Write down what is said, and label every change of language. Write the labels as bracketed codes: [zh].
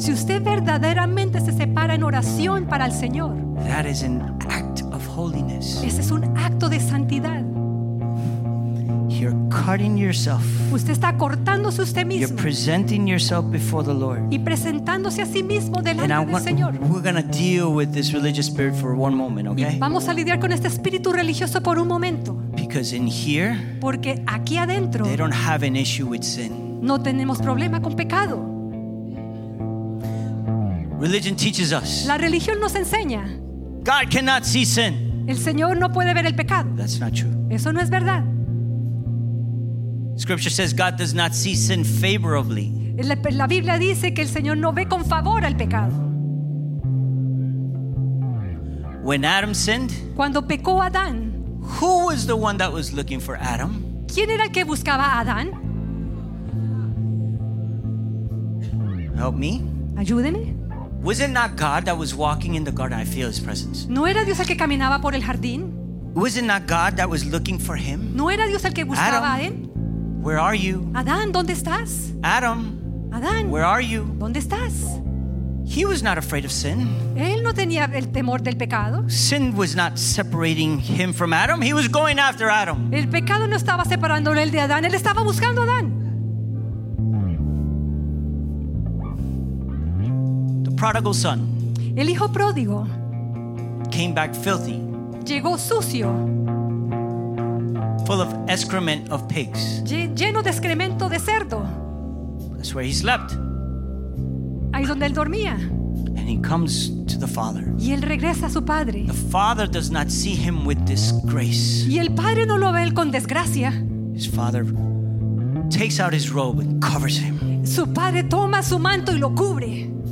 [es] si usted verdaderamente se separa en oración para el Señor, [en] that is an act of holiness. [es] Ese es un acto de santidad. [en] You're cutting yourself. [es] Usted está cortándose usted mismo. [en] You're presenting yourself before the Lord. [es] Y presentándose a sí mismo delante del Señor. [en] We're going to deal with this religious spirit for one moment, okay? [es] Vamos a lidiar con este espíritu religioso por un momento. [en] Because in here, [es] porque aquí adentro, [en] they don't have an issue with sin. [es] No tenemos problema con pecado. [en] Religion teaches us. [es] La religión nos enseña. [en] God cannot see sin. [es] El Señor no puede ver el pecado. [en] That's not true. [es] Eso no es verdad. [en] Scripture says God does not see sin favorably. [es] La Biblia dice que el Señor no ve con favor al pecado. [en] When Adam sinned, [es] cuando pecó Adán, [en] who was the one that was looking for Adam? [es] ¿Quién era el que buscaba a Adán? [en] Help me. [es] Ayúdeme. [en] Was it not God that was walking in the garden? I feel His presence. [es] ¿No era Dios el que caminaba por el jardín? [en] Was it not God that was looking for him? [es] ¿No era Dios el que buscaba a él? [en] Where are you? [es] Adán, ¿dónde estás? [en] Adam, [es] Adán, [en] where are you? [es] ¿Dónde estás? [en] He was not afraid of sin. [es] Él no tenía el temor del pecado. [en] Sin was not separating him from Adam. He was going after Adam. [es] El pecado no estaba separándole de Adán. Él estaba buscando a Adán. [en] The prodigal son. [es] El hijo pródigo. [en] Came back filthy. [es] Llegó sucio. [en] Full of excrement of pigs. [es] Lleno de excremento de cerdo. [en] That's where he slept. [es] Ahí donde él dormía. [en] And he comes to the father. [es] Y él regresa a su padre. [en] The father does not see him with disgrace. [es] Y el padre no lo ve él con desgracia. [en] His father takes out his robe and covers him. [es] Su padre toma su manto y lo cubre.